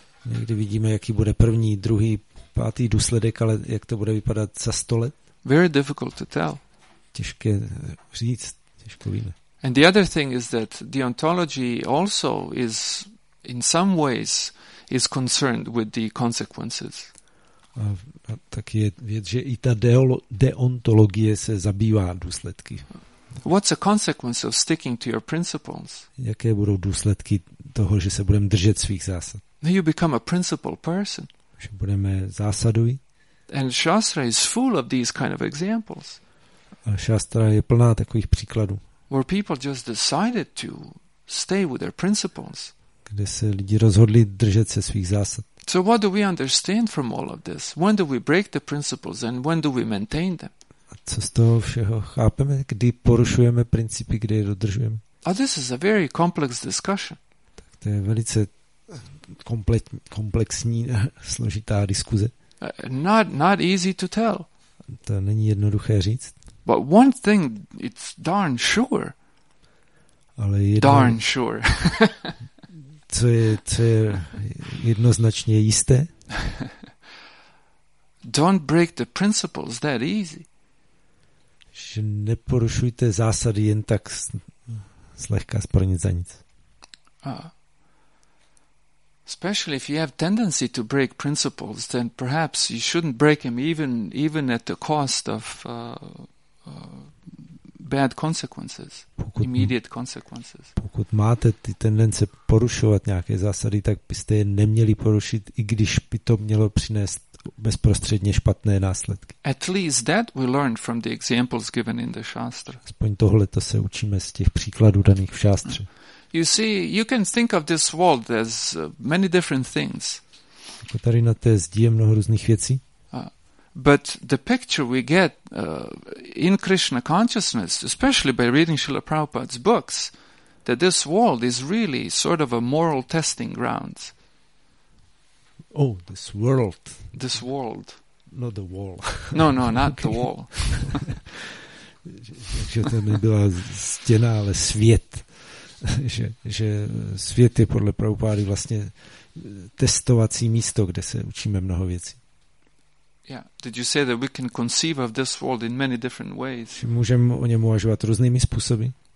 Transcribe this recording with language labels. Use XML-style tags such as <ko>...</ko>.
<cs>Někdy vidíme, jaký bude první, druhý, pátý důsledek, ale jak to bude vypadat za 100 let?</cs> <en>Very difficult to tell.</en> <cs>Těžké říct, těžko víme.</cs> <en>And the other thing is that deontology also is in some ways is concerned with the consequences.</en> <cs>A tak je věc, že i ta deontologie se zabývá důsledky.</cs> <en>What's a consequence of sticking to your principles?</en> <cs>Jaké budou důsledky toho, že se budeme držet svých zásad?</cs> <en>You become a principled person.</en> <cs>Že budeme zásadoví.</cs> <en>And Shastra is full of these kind of examples.</en> <cs>A Shastra je plná takových příkladů.</cs> <en>Where people just decided to stay with their principles.</en> <cs>Kde se lidi rozhodli držet se svých zásad.</cs> <en>So what do we understand from all of this? When do we break the principles and when do we maintain them?</en> <cs>A co z toho všeho chápeme, kdy porušujeme principy, kdy je dodržujeme?</cs> <en>Oh, this is a very complex discussion.</en> <cs>Tak to je velice komplexní a složitá diskuze.</cs> <en>Not easy to tell.</en> <cs>To není jednoduché říct.</cs> <en>But one thing it's darn sure.</en> <cs>Ale jedno,</cs> <en>darn sure.</en> <cs>co je jednoznačně jisté?</cs> <en>Don't break the principles that easy.</en> <cs>Že neporušujte zásady jen tak zlehka pro nic za nic.</cs> <en>Especially if you have tendency to break principles, then perhaps you shouldn't break them even at the cost of bad consequences, immediate consequences.</en> <cs>Pokud máte ty tendence porušovat nějaké zásady, tak byste je neměli porušit, i když by to mělo přinést bezprostředně špatné následky.</cs> <en>At least that we learn from the examples given in the Shastra.</en> <cs>Aspoň tohle to se učíme z těch příkladů daných v Shastře.</cs> <en>You see, you can think of this world as many different things.</en> <cs>Jako tady na té zdi je mnoho různých věcí.</cs> <en>But the picture we get in Krishna consciousness, especially by reading Srila Prabhupada's books, that this world is really sort of a moral testing ground. Oh, this world. This world. Not the wall. No, not the wall.</en> <cs>Takže to nebyla stěna, ale svět. že svět je podle Prabhupády vlastně testovací místo, kde se učíme mnoho věcí.</cs> <en>Yeah, did you say that we can conceive of this world in many different ways?</en> <cs>Můžeme o něm uvažovat různými způsoby.</cs>